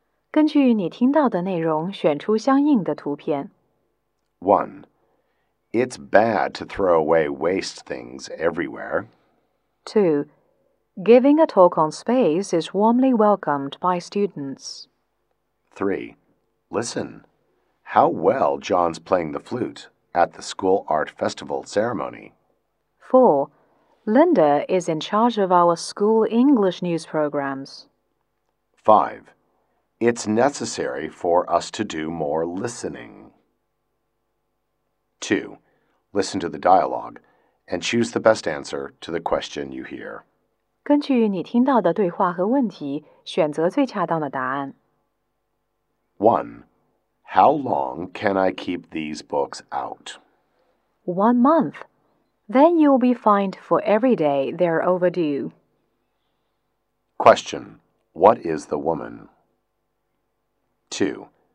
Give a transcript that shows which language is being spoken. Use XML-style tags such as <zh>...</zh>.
<zh>根据你听到的内容选出相应的图片。</zh> <en>1. It's bad to throw away waste things everywhere. 2. Giving a talk on space is warmly welcomed by students. 3. Listen. How well John's playing the flute at the school art festival ceremony. 4. Linda is in charge of our school English news programs. 5. It's necessary for us to do more listening. 2. Listen to the dialogue and choose the best answer to the question you hear.</en> <zh>根据你听到的对话和问题，选择最恰当的答案。</zh> <en>1. How long can I keep these books out? 1 month. Then you'll be fined for every day they're overdue. Question. What is the woman? 2.</en>